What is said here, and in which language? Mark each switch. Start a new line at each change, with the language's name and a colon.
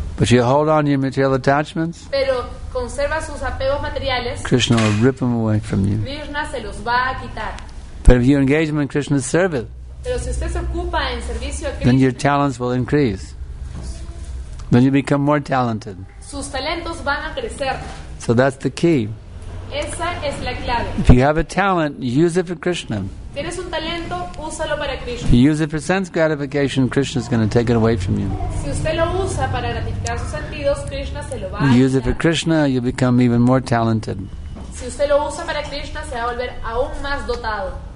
English: but you hold on to your material attachments,
Spanish: pero conserva sus apegos materiales,
English: Krishna will rip them away from you.
Spanish: Krishna se los va a quitar.
English: But if you engage them in Krishna's service,
Spanish: pero si usted se ocupa en servicio a Krishna,
English: then your talents will increase. Then you become more talented.
Spanish: Sus talentos van a crecer.
English: So that's the key.
Spanish: Esa es la clave.
English: If you have a talent, use it for Krishna.
Spanish: Tienes un talento, úsalo para Krishna.
English: If you use it for sense gratification, Krishna is going to take it away from you.
Spanish: Si usted lo usa para gratificar sus sentidos, Krishna se lo va a quitar.
English: If you use it for Krishna, you become even more talented.
Spanish: Si usted lo usa para Krishna, se va a volver aún más dotado.